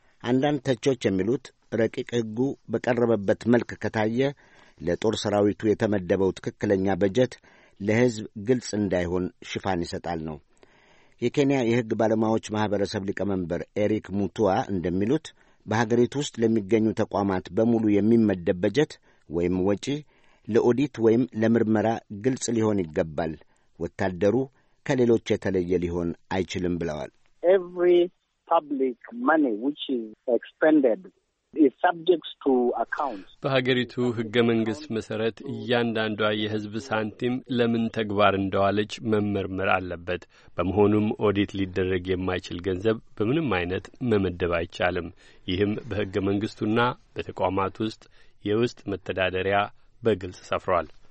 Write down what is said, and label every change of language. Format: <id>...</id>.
<am>አንዳንድ ተቾች የሚሉት ረቂቅ ህጉ በቀረበበት መልክ ከታየ ለጦር ሰራዊቱ የተመደበው ትክክለኛ በጀት ለህዝብ ግልጽ እንዳይሆን ሽፋን ይሰጣል ነው። የኬንያ የህግ ባለሙያዎች ማህበረሰብ ሊቀመንበር ኤሪክ ሙቱዋ እንደሚሉት በሀገሪቱ ውስጥ ለሚገኙ ተቋማት በሙሉ የሚመደብ በጀት ወይም ወጪ ለኦዲት ወይም ለምርመራ ግልጽ ሊሆን ይገባል። ወታደሩ ከሌሎች የተለየ ሊሆን አይችልም ብለዋል።</am> <en>Every public money which is expended is subject to accounts.</en> <am>በሀገሪቱ ህገ መንግስት መሰረት እያንዳንዷ የህዝብ ሳንቲም ለምን ተግባር እንደዋለች መመርመር አለበት። በመሆኑም ኦዲት ሊደረግ የማይችል ገንዘብ በምንም አይነት መመደብ አይቻልም። ይህም በህገ መንግስቱና በተቋማት ውስጥ የውስጥ መተዳደሪያ በግልጽ ሰፍሯል።</am>